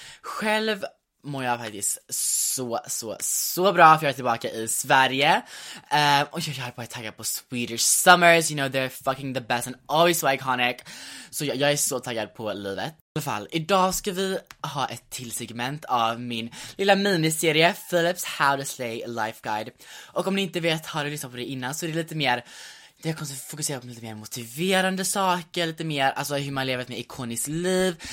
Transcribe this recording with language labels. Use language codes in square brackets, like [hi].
[sv] Själv mår jag faktiskt så bra, för jag är tillbaka i Sverige. Och jag är bara taggad på Swedish Summers. [en] You know, they're fucking the best and always so iconic. [sv] Så jag är så taggad på livet. I alla fall, idag ska vi ha ett till segment av min lilla miniserie Philips How to Slay Life Guide. Och om ni inte vet, har du lyssnat på det innan, så är det lite mer, jag kommer att fokusera på lite mer motiverande saker, lite mer, alltså hur man lever ett mer ikoniskt liv.